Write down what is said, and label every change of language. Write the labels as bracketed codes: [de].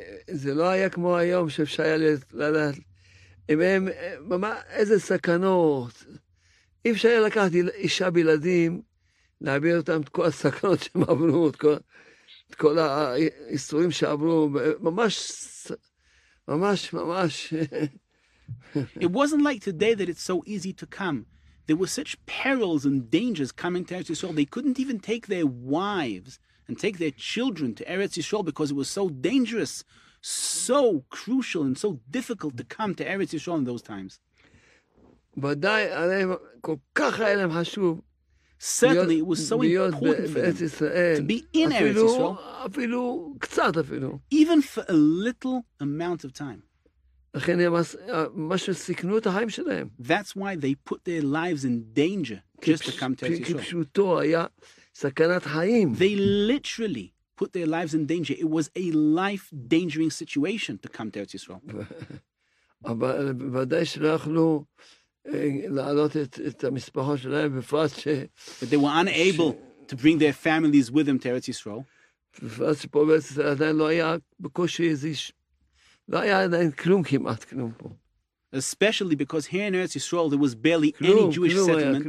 [he] זה לא היה כמו היום שאפשר היה לדעת. הם, ממש, איזה סכנות. אי אפשר היה לקחת אישה בילדים, להעביר אותם את כל הסכנות שהם עברו, את כל היסורים שעברו, ממש, ממש, ממש. [en] It wasn't like today that it's so easy to come. There were such perils and dangers coming to Eretz Yisrael. They couldn't even take their wives and take their children to Eretz Yisrael because it was so dangerous, so crucial and so difficult to come to Eretz Yisrael in those times. [he] ודאי, עליהם, כל כך היה להם חשוב [en] Certainly, [he] להיות, [en] it was so important for them [he] ישראל, [en] to be in [he] אפילו, [en] Eretz Yisrael. [he] אפילו, קצת אפילו. [en] Even for a little amount of time. [he] לכן הם ממש סיכנו את החיים שלהם. [en] That's why they put their lives in danger just to come to Eretz Yisrael. [he] כפשוטו היה סכנת חיים. [en] They literally put their lives in danger. It was a life-dangering situation to come to Eretz Yisrael. [he] אבל ודאי שלא יכלו לעלות את המשפחות שלהם בפרט ש... [en] But they were unable to bring their families with them to Eretz Yisrael. [he] בפרט שפה בארץ ישראל עדיין לא היה בקושי איזה... לא היה עדיין כלום כמעט כלום פה. [en] Especially because here in Eretz Yisrael there was barely any Jewish settlement.